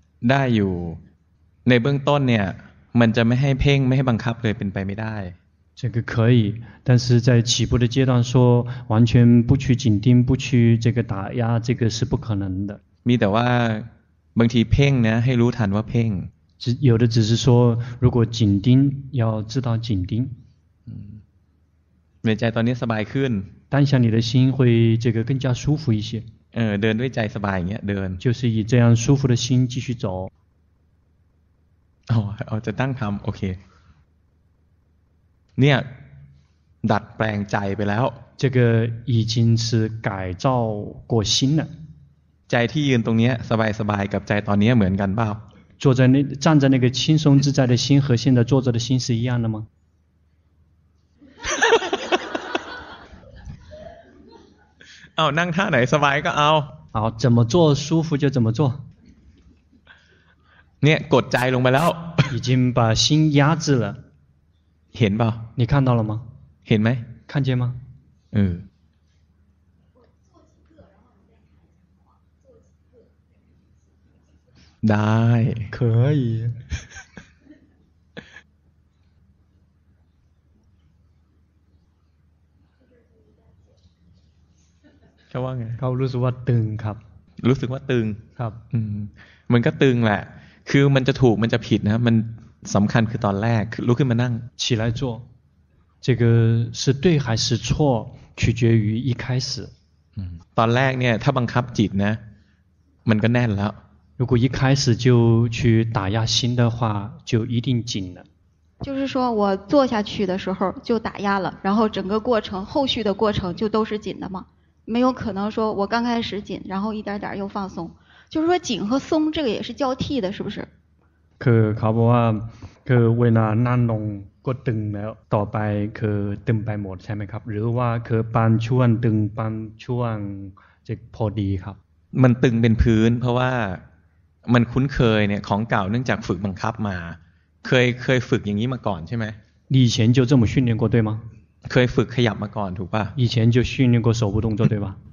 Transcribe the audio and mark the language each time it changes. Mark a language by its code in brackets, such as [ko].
[th] ได้อยู่ในเบื้องต้นเนี่ยมันจะไม่ให้เพ่งไม่ให้บังคับเลยเป็นไปไม่ได้ [zh] 这个可以但是在起步的阶段说完全不去紧盯不去这个打压这个是不可能的 [th] มีแต่ว่าบางทีเพ่งนะให้รู้ทันว่าเพ่ง [zh] 有的只是说如果紧盯要知道紧盯 [th] ในใจตอนนี้สบายขึ้น [zh] 当下你的心会这个更加舒服一些 [th] เดินด้วยใจสบายอย่างเงี้ยเดิน [zh] 就是以这样舒服的心继续走 [th] เราจะตั้งทำโอเคเนี่ยดัดแปลงใจไปแล้ว [zh] 这个已经是改造过心了 [th] ใจที่ยืนตรงนี้สบายสบายกับใจตอนนี้เหมือนกันเปล่า [zh] 坐在那站在那个轻松自在的心和现在坐着的心是一样的吗 [th] เอานั่งท่าไหนสบายก็เอา เอา [zh] 怎么做舒服就怎么做 [th] เนี่ยกดใจลงไปแล้ว [zh] 已经把心压制了 [th] เห็นป่ะ [zh] 你看到了吗 [th] เห็นไหม [zh] 看见吗 [th] ได้ [zh] 可以 [th] เขาว่าไง เขารู้สึกว่าตึงครับ รู้สึกว่าตึง ครับ มันก็ตึงแหละคือมันจะถูกมันจะผิดนะมันสำคัญคือตอนแรกลุกขึ้นมานั่ง 起来坐这个是对还是错取决于一开始 ตอนแรกเนี่ยถ้าบังคับจิตนะมันก็แน่นแล้ว 如果一开始就去打压心的话就一定紧了 [zh] 就是说我坐下去的时候就打压了然后整个过程后续的过程就都是紧的嘛没有可能说我刚开始紧然后一点点又放松就是说紧和松这个也是交替的是不是 [th] คือเขาบอกว่าคือเวลานั่งลงก็ตึงแล้วต่อไปคือตึงไปหมดใช่ไหมครับหรือว่าคือปานช่วงตึงปานช่วงจะพอดีครับ มันตึงเป็นพื้นเพราะว่ามันคุ้นเคยเนี่ยของเก่าเนื่องจากฝึกบังคับมาเคยฝึกอย่างนี้มาก่อนใช่ไหม [zh] 以前就这么训练过对吗 [th] เคยฝึกขยับมาก่อนถูกป่ะ [zh] 以前就训练过手部动作对吧